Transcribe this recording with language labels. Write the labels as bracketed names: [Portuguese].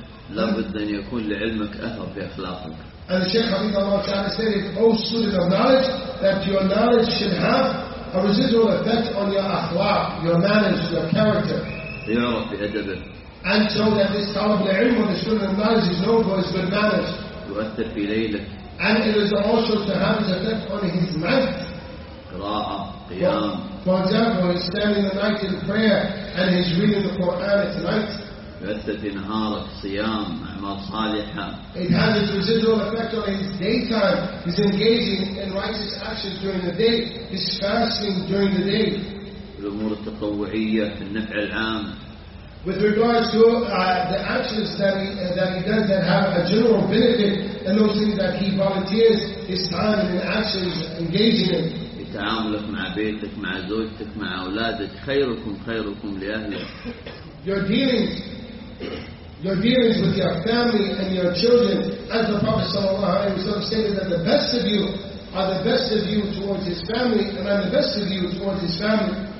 [Arabic] لابد أن يكون لعلمك أثر في أخلاقك. [English] And the Shaykh Hafidhullah Ta'ala stated, O student of knowledge, that your knowledge should have a residual effect on your akhlaq, your manners, your character. [Arabic] يعرف بأدبه. [English] And so that this talib al-ilm or the student of knowledge is known for his good manners. [Arabic] يؤثر في ليلك. [English] And it is also to have his effect on his night. [Arabic] قراءة, قيام. [English] For example, his standing the night in prayer and his reading the Quran at night. [Arabic] يؤثر في نهارك صيام أعمال صالحة. [English] It has its residual effect on his daytime. He's engaging in righteous actions during the day. He's fasting during the day. [Arabic] الأمور التطوعية في النفع العام. [English] With regards to the actions that he does that have a general benefit, and those things that he volunteers his time and actions engaging in. [Arabic] تعاملك مع بيتك مع زوجتك مع أولادك خيركم لأهلك. [English] Your dealings with your family and your children, as the Prophet sallallahu alaihi wasallam stated, that the best of you are the best of you towards his family, and I'm the best of you towards his family.